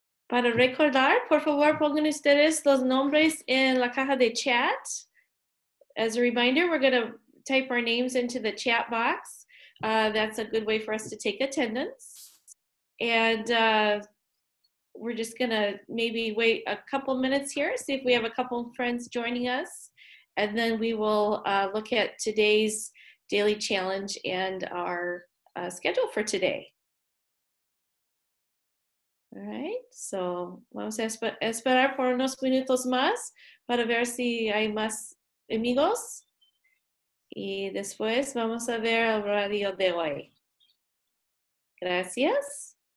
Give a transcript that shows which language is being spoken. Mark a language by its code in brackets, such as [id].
[es] Para recordar, por favor, pongan ustedes los nombres en la caja de chat. [en] As a reminder, we're going to type our names into the chat box. That's a good way for us to take attendance. And we're just going to maybe wait a couple minutes here, see if we have a couple of friends joining us. And then we will look at today's daily challenge and our schedule for today. All right, so [es] vamos a esperar por unos minutos más para ver si hay más amigos. Y después vamos a ver el radio de hoy. Gracias.